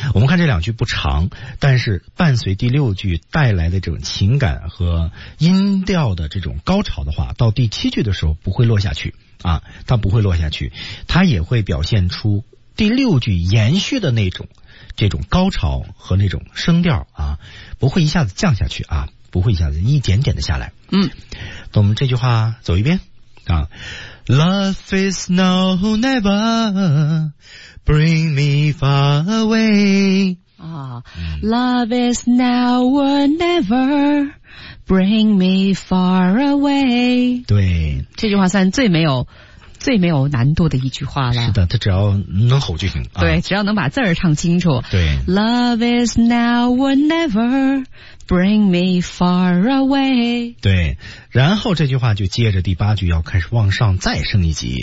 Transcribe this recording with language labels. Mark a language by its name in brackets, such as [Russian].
[Chinese] 我们看这两句不长，但是伴随第六句带来的这种情感和音调的这种高潮的话，到第七句的时候不会落下去啊，它不会落下去，它也会表现出第六句延续的那种。这种高潮和那种声调啊，不会一下子降下去啊，不会一下子一点点的下来。嗯，那我们这句话走一遍啊 [English] ，Love is now or never, bring me far away. 啊 ，Love is now or never, bring me far away. [Chinese] 对，这句话算最没有难度的一句话了。是的，他只要能吼就行。对，啊，只要能把字儿唱清楚。对 [English] ，Love is now or never, bring me far away。 [Chinese] 对，然后这句话就接着第八句要开始往上再升一级。